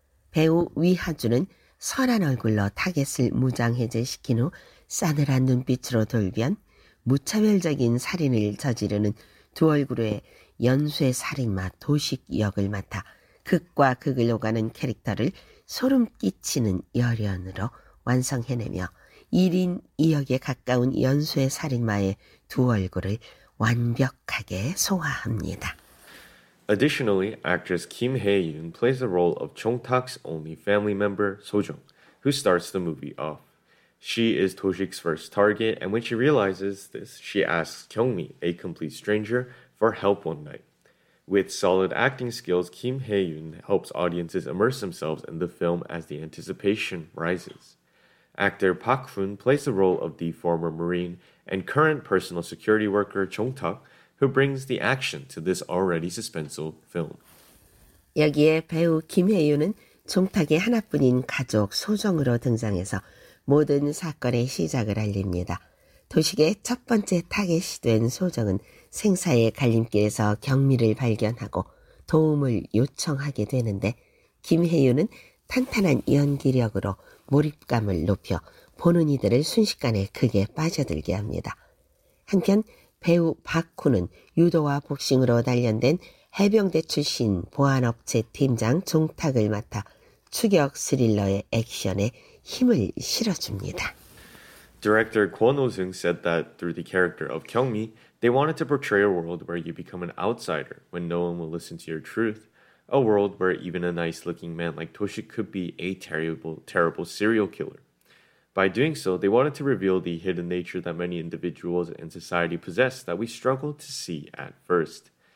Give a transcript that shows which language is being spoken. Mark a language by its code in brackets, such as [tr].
[ko] 배우 위하준은 선한 얼굴로 타겟을 무장해제시킨 후 싸늘한 눈빛으로 돌변 무차별적인 살인을 저지르는 두 얼굴의 연쇄 살인마 도식 역을 맡아 극과 극을 오가는 캐릭터를 소름 끼치는 열연으로 완성해내며 1인 2역에 가까운 연쇄 살인마의 두 얼굴을 완벽하게 소화합니다. [en] Additionally, actress Kim Hae-yoon plays the role of Chung-tak's only family member, So-jung, who starts the movie off. She is Do-sik's first target, and when she realizes this, she asks Kyungmi, a complete stranger, for help one night. With solid acting skills, Kim Hae-yoon helps audiences immerse themselves in the film as the anticipation rises. Actor Park Hoon plays the role of the former Marine and current personal security worker Chung-tak, who brings the action to this already suspenseful film. [ko] 여기에 배우 김혜윤은 종탁의 하나뿐인 가족 소정으로 등장해서 모든 사건의 시작을 알립니다. 도식의 첫 번째 타겟이 된 소정은 생사의 갈림길에서 경미를 발견하고 도움을 요청하게 되는데 김혜윤은 탄탄한 연기력으로 몰입감을 높여 보는 이들을 순식간에 극에 빠져들게 합니다. 한편 배우 박훈은 유도와 복싱으로 단련된 해병대 출신 보안업체 팀장 종탁을 맡아 추격 스릴러의 액션에 힘을 실어줍니다. [en] Director Kwon Ho-sung said that through the character of Kyungmi, they wanted to portray a world where you become an outsider when no one will listen to your truth, a world where even a nice-looking man like Do-sik could be a terrible serial killer. By doing so, they wanted to reveal the hidden nature that many individuals and society possess that we struggle to see at first.